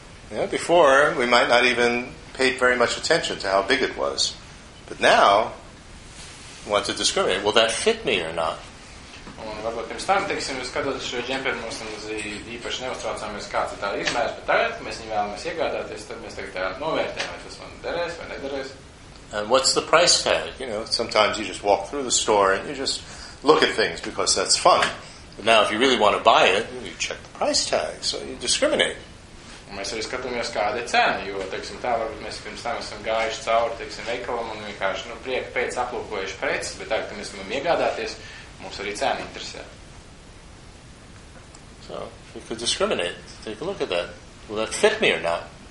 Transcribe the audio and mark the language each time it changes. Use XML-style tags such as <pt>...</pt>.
<en>Yeah, before, we might not even pay very much attention to how big it was. But now, want to discriminate. Will that fit me or not?</en> <lv>Un varbūt pirms tam, teiksim, skatot šo džemperi, mums īpaši neuztraucāmies, kāds ir tā izmērs, bet tagad mēs viņu vēlamies iegādāties, tad mēs tagad novērtējam, vai tas man derēs vai nederēs.</lv> <en>And what's the price tag? You know, sometimes you just walk through the store and you just look at things because that's fun. But now if you really want to buy it, you check the price tag, so you discriminate.</en> <lv>Un mēs arī skatāmies, kāda ir cena, jo, teiksim, tā varbūt mēs pirms tam esam gājuši cauri, teiksim, veikalam un vienkārši, nu, prieka pēc aplūkojuši preces, bet tā, ka mēs varam iegādāties, mums arī cena interesē.</lv> <en>So, we could discriminate, take a look at that. Will that fit me or not?</en>